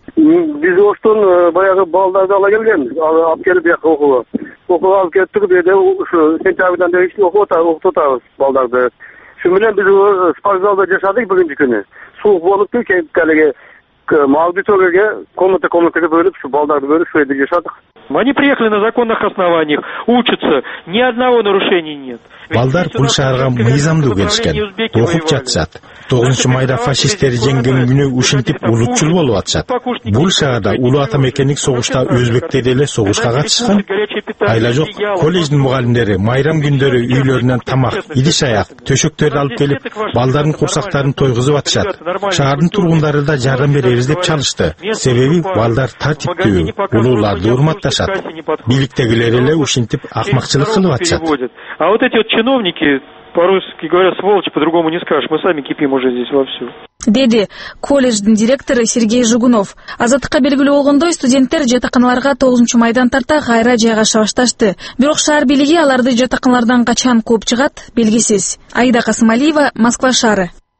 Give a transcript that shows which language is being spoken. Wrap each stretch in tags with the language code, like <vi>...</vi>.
<ky>Биз оштон баягы балдарды ала келгенбиз, алып келип бияка окууга. Окууга алып кеттик, бирде ушу сентябрдан бери иштеп окутабыз балдарды. Шуну менен биз спортзалда жашадык бүгүнкү күнү. Суук болуп келип алиги аудиторияга комната-комнатага бөлүп ушу балдарды бөлүп ушу жерде жашадык.</ky> <ru>Они приехали на законных основаниях, учатся, ни одного нарушения нет.</ru> <ky>Балдар бул шаарга мыйзамдуу келишкен, окуп жатышат. 9 майда фашисттерди жеңген күнү ушинтип улутчул болуп атышат. Бул шаарда Улуу Атам экенлик согушта өзбектер деле согушка катышкан. Айла жок, колледждин мугалимдери майрам күндөрү үйлөрүнөн тамак, идиш аяк, төшөктөрдү алып келип, балдардын курсактарын тойгузуп атышат. Шаардын тургундары да жардам беребиз деп чалышты. Себеби балдар тартиптүү, улууларды урматташат. Бийликтегилер эле ушинтип акмакчылык кылып атышат.</ky> <ru>Чиновники, по-русски говоря, сволочь, по-другому не скажешь. Мы сами кипим уже здесь вовсю.</ru> <ky>деди колледждин директору Сергей Жугунов. Азаттыкка белгилүү болгондой студенттер жатаканаларга 9 майдан тарта кайра жайгаша башташты. Бирок шаар бийлиги аларды жатаканалардан качан кууп чыгат белгисиз. Айда Касымалиева, Москва шаары.</ky>